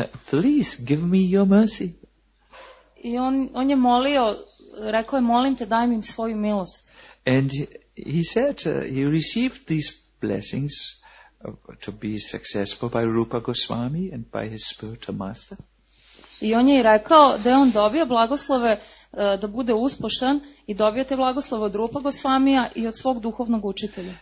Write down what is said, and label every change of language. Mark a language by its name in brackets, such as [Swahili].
[English] Please give me your mercy. [Serbian] I on je molio, rekao je, molim te, daj mi svoju milost. [English] And he said he received these blessings to be successful by Rupa Goswami and by his spiritual master. [Serbian] I on je i rekao da je on dobio blagoslove da bude uspošan i dobio te blagoslove od Rupa Gosvamija i od svog duhovnog učitelja.